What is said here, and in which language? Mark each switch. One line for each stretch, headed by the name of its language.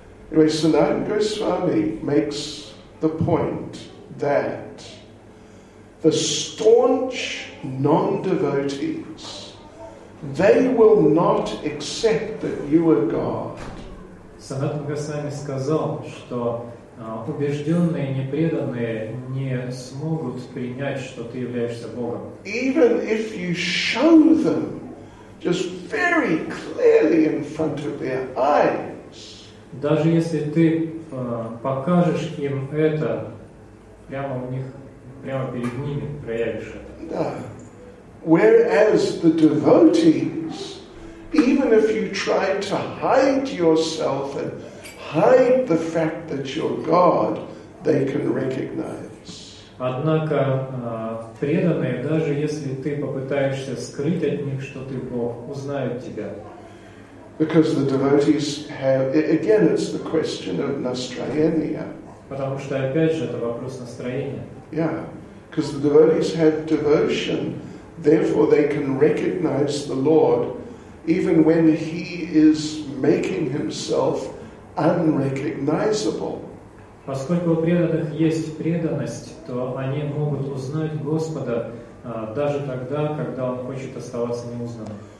English: Anyway, Санатан Госвами makes the point that the staunch non-devotees, they will not accept that you are God.
Russian: Санатан Госвами сказал, что убежденные непреданные не смогут принять, что ты являешься Богом.
English: Even if you show them just very clearly in front of their eyes.
Russian: Даже если ты покажешь им это прямо у них, прямо перед ними, проявишь это. Да.
English: Whereas the devotees, even if you try to hide yourself and hide the fact that you're God, they can recognize.
Russian: Однако преданные, даже если ты попытаешься скрыть от них, что ты Бог, узнают тебя.
English: Because the devotees have, again, it's the question of настроение.
Russian: Потому что опять же это вопрос настроения.
English: Yeah, Because the devotees had devotion, therefore they can recognize the Lord even when he is making himself unrecognizable.
Russian: Поскольку у преданных есть преданность, то они могут узнать Господа даже тогда, когда он хочет оставаться неузнанным.